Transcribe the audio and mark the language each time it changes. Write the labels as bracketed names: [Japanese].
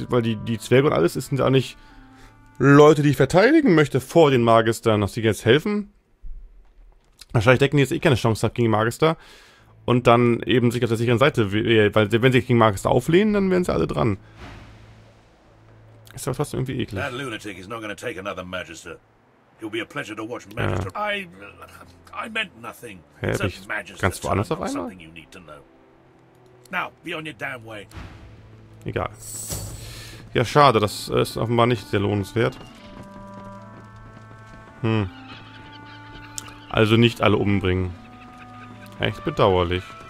[German] Weil die Zwerge und alles ist da nicht Leute, die ich verteidigen möchte vor den Magistern. Dass die jetzt helfen. Wahrscheinlich decken die jetzt eh keine Chance ab gegen Magister. Und dann eben sich auf der sicheren Seite. Weil wenn sie gegen Magister auflehnen, dann wären sie alle dran. Ist das fast irgendwie eklig. [English] That lunatic is not gonna take another Magister. It'll be a pleasure to watch Magister. Ja. I meant nothing. [German] Ganz woanders auf einmal? [English] Now, be on your damn way. [German] Egal. Ja, schade, das ist offenbar nicht sehr lohnenswert. Also nicht alle umbringen. Echt bedauerlich.